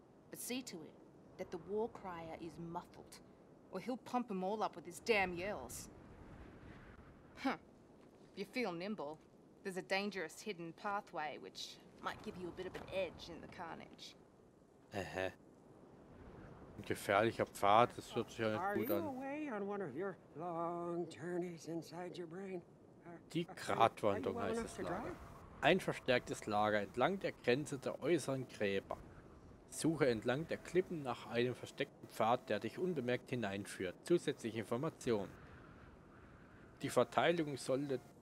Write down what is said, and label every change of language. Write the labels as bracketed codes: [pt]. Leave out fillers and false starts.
[en] But see to it that the war crier is muffled, or he'll pump them all up with his damn yells. Huh. If you feel nimble, there's a dangerous hidden pathway, which might give you a bit of an edge in the carnage. Aha. [de] Ein gefährlicher Pfad, das hört sich ja nicht gut an. [en] Are you away on one of your long journeys inside your brain? [de] Die Gratwanderung heißt das Lager. Ein verstärktes Lager entlang der Grenze der äußeren Gräber. Suche entlang der Klippen nach einem versteckten Pfad, der dich unbemerkt hineinführt. Zusätzliche Informationen. Die Verteilung sollte